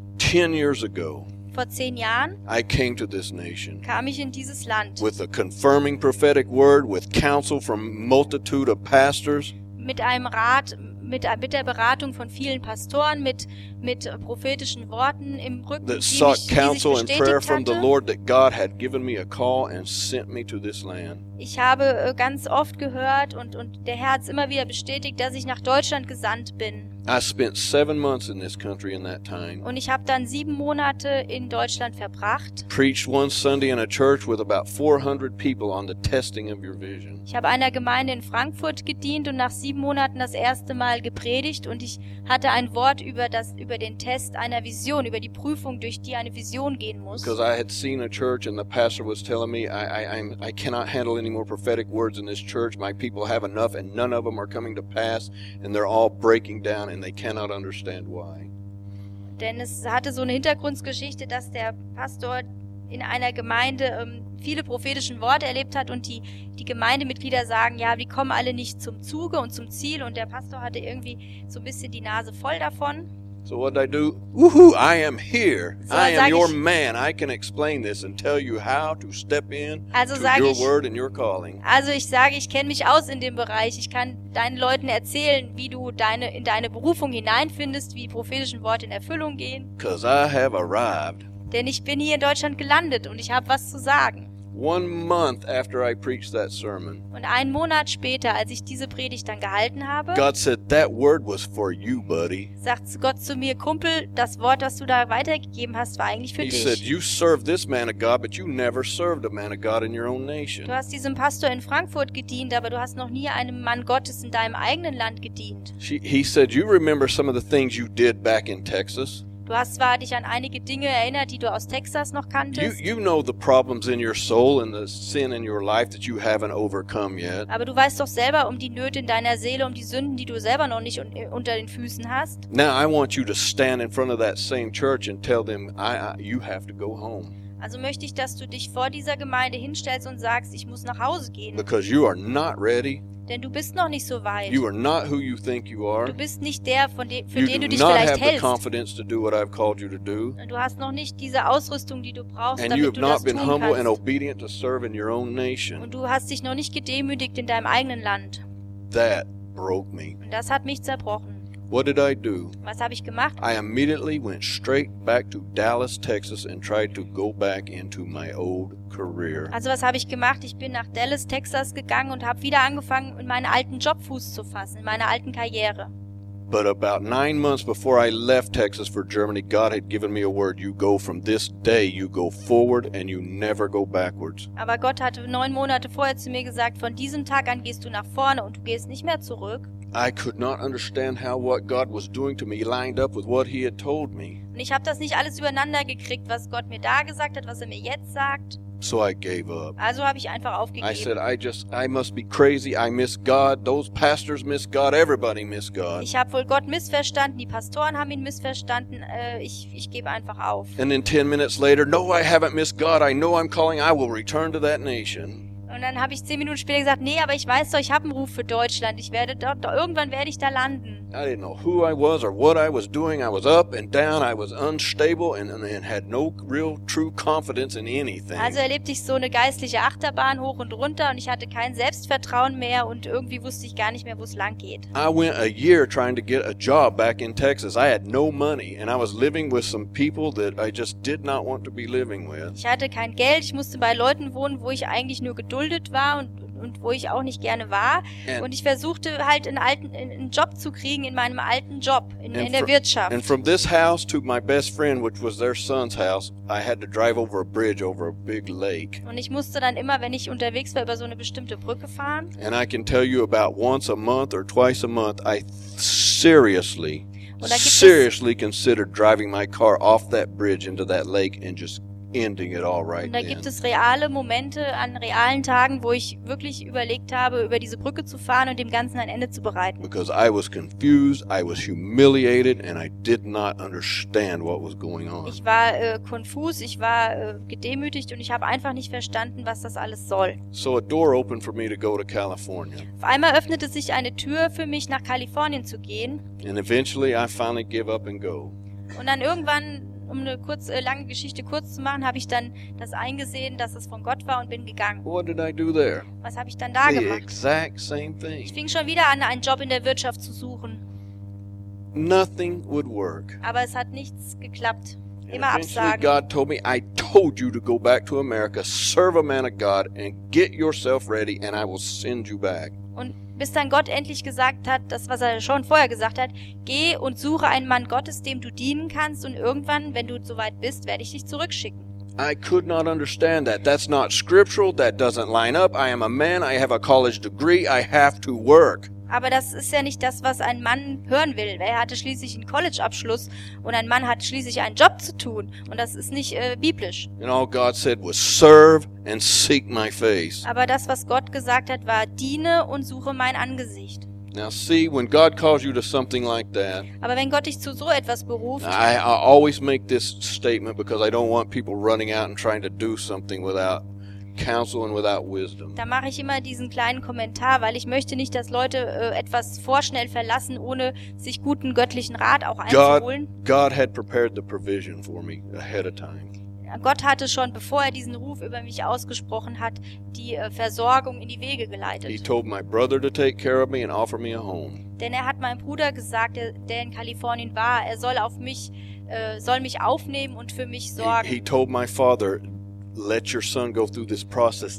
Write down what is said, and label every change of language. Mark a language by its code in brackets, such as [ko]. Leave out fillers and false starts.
[en] 10 years ago, [de] vor 10 Jahren, [en] I came to this nation, [de] kam ich in dieses Land, [en] with a confirming prophetic word, with counsel from multitude of pastors, [de] mit einem Rat. Mit der Beratung von vielen Pastoren, mit prophetischen Worten im Rücken, [en] that [de] die [en] sought [de] mich, [en] counsel [de] die [en] and prayer [de] hatte. [en] From the Lord that God had given me a call and sent me to this land. [de] Ich habe ganz oft gehört und der Herr hat immer wieder bestätigt, dass ich nach Deutschland gesandt bin. [en] I spent 7 months in this country in that time. [de] Und ich habe dann 7 Monate in Deutschland verbracht. [en] Preached one Sunday in a church with about 400 people on the testing of your vision. [de] Ich habe einer Gemeinde in Frankfurt gedient und nach 7 Monaten das erste Mal gepredigt und ich hatte ein Wort über den Test einer Vision, über die Prüfung, durch die eine Vision gehen muss. [en] Because I had seen a church and the pastor was telling me I cannot handle any more prophetic words in this church. My people have enough and none of them are coming to pass and they're all breaking down. And they cannot understand why. [de] Denn es hatte so eine Hintergrundgeschichte, dass der Pastor in einer Gemeinde viele prophetische Worte erlebt hat und die Gemeindemitglieder sagen, ja, die kommen alle nicht zum Zuge und zum Ziel und der Pastor hatte irgendwie so ein bisschen die Nase voll davon. [en] So what did I do? Woohoo, I am here. So, I am your man. I can explain this and tell you how to step in [de] also [en] to your [de] ich, [en] word and your calling. [de] Also ich sage, ich kenne mich aus in dem Bereich. Ich kann deinen Leuten erzählen, wie du in deine Berufung hineinfindest, wie prophetischen Worte in Erfüllung gehen. [en] 'Cause I have arrived. [de] Denn ich bin hier in Deutschland gelandet und ich habe was zu sagen. [en] 1 month after I preached that sermon. [de] Und einen Monat später, als ich diese Predigt dann gehalten habe, [en] God said that word was for you, buddy. [de] Sagt Gott zu mir, Kumpel, das Wort, das du da weitergegeben hast, war eigentlich für [en] He [de] dich. [en] He said you served this man of God, but you never served a man of God in your own nation. [de] Du hast diesem Pastor in Frankfurt gedient, aber du hast noch nie einem Mann Gottes in deinem eigenen Land gedient. [en] He said you remember some of the things you did back in Texas. [de] Du hast zwar dich an einige Dinge erinnert, die du aus Texas noch kanntest. [en] You know the problems in your soul and the sin in your life that you haven't overcome yet. [de] Aber du weißt doch selber um die Nöte in deiner Seele, um die Sünden, die du selber noch nicht unter den Füßen hast. [en] Now I want you to stand in front of that same church and tell them you have to go home. [de] Also möchte ich, dass du dich vor dieser Gemeinde hinstellst und sagst, ich muss nach Hause gehen. [en] Because you are not ready. [de] Denn du bist noch nicht so weit. [en] You are not who you think you are. [de] Du bist nicht der, für [en] you [de] den du dich [en] not [de] vielleicht hältst. [en] Confidence to do what I've called you to do. [de] Du hast noch nicht diese Ausrüstung, die du brauchst, [en] and [de] damit [en] you have [de] du [en] not [de] das [en] been [de] tun [en] humble [de] kannst. [en] And obedient to serve in your own nation. [de] Und du hast dich noch nicht gedemütigt in deinem eigenen Land. [en] That broke me. [de] Und das hat mich zerbrochen. [en] What did I do? [de] Was habe ich gemacht? [en] I immediately went straight back to Dallas, Texas and tried to go back into my old career. [de] Also was habe ich gemacht? Ich bin nach Dallas, Texas gegangen und habe wieder angefangen, in meinen alten Job Fuß zu fassen, in meiner alten Karriere. [en] But about 9 months before I left Texas for Germany, God had given me a word, you go from this day, you go forward and you never go backwards. [de] Aber Gott hatte 9 Monate vorher zu mir gesagt, von diesem Tag an gehst du nach vorne und du gehst nicht mehr zurück. [en] I could not understand how what God was doing to me lined up with what he had told me. [de] Und ich habe das nicht alles übereinander gekriegt, was Gott mir da gesagt hat, was er mir jetzt sagt. [en] So I gave up. [de] Also habe ich einfach aufgegeben. [en] I said I must be crazy. I miss God. Those pastors miss God. Everybody miss God. [de] Ich habe wohl Gott missverstanden. Die Pastoren haben ihn missverstanden. Ich gebe einfach auf. [en] And then 10 minutes later, no, I haven't missed God. I know I'm calling. I will return to that nation. [de] Und dann habe ich 10 Minuten später gesagt, nee, aber ich weiß doch, ich habe einen Ruf für Deutschland. Ich werde dort, irgendwann werde ich da landen. [en] I didn't know who I was or what I was doing. I was up and down. I was unstable and had no real true confidence in anything. [de] Also erlebte ich so eine geistliche Achterbahn hoch und runter und ich hatte kein Selbstvertrauen mehr und irgendwie wusste ich gar nicht mehr, wo es lang geht. [en] I went a year trying to get a job back in Texas. I had no money and I was living with some people that I just did not want to be living with. [de] Ich hatte kein Geld. Ich musste bei Leuten wohnen, wo ich eigentlich nur geduldet war und wo ich auch nicht gerne war. Und ich versuchte halt einen Job zu kriegen in meinem alten Job, in der Wirtschaft. [en] And from this house to my best friend, which was their son's house, I had to drive over a bridge over a big lake. [de] Und ich musste dann immer, wenn ich unterwegs war, über so eine bestimmte Brücke fahren. [en] And I can tell you about once a month or twice a month, I seriously, seriously considered driving my car off that bridge into that lake and just ending it all right. [de] Und da gibt es reale Momente an realen Tagen, wo ich wirklich überlegt habe, über diese Brücke zu fahren und dem Ganzen ein Ende zu bereiten. [en] Because I was confused, I was humiliated and I did not understand what was going on. [de] Ich war konfus, ich war gedemütigt und ich habe einfach nicht verstanden, was das alles soll. [en] So a door opened for me to go to California. [de] Auf einmal öffnete sich eine Tür für mich, nach Kalifornien zu gehen. [en] And eventually I finally gave up and go. [de] Und dann irgendwann, um eine kurze, lange Geschichte kurz zu machen, habe ich dann das eingesehen, dass es von Gott war und bin gegangen. [en] What did I do there? [de] Was habe ich dann da [en] the [de] gemacht? [en] Exact same thing. [de] Ich fing schon wieder an, einen Job in der Wirtschaft zu suchen. [en] Nothing would work. [de] Aber es hat nichts geklappt. [en] And [de] immer [en] eventually [de] Absagen. [en] God told me, I told you to go back to America, serve a man of God and get yourself ready and I will send you back. [de] Und bis dann Gott endlich gesagt hat, das, was er schon vorher gesagt hat, geh und suche einen Mann Gottes, dem du dienen kannst und irgendwann, wenn du soweit bist, werde ich dich zurückschicken. [en] I could not understand that. That's not scriptural, that doesn't line up. I am a man, I have a college degree, I have to work. [de] Aber das ist ja nicht das, was ein Mann hören will. Er hatte schließlich einen College-Abschluss und ein Mann hat schließlich einen Job zu tun. Und das ist nicht biblisch. [en] And all God said was serve and seek my face. [de] Aber das, was Gott gesagt hat, war diene und suche mein Angesicht. [en] Now see, when God calls you to something like that, [de] aber wenn Gott dich zu so etwas beruft, [en] I always make this statement because I don't want people running out and trying to do something without counsel and without wisdom. [de] Da mache ich immer diesen kleinen Kommentar, weil ich möchte nicht, dass Leute etwas vorschnell verlassen, ohne sich guten göttlichen Rat auch einzuholen. [en] God had prepared the provision for me ahead of time. [de] Gott hatte schon, bevor er diesen Ruf über mich ausgesprochen hat, die Versorgung in die Wege geleitet. [en] He told my brother to take care of me and offer me a home. [de] Denn er hat meinem Bruder gesagt, der in Kalifornien war, er soll mich aufnehmen und für mich sorgen. [en] He told my father, let your son go through this process.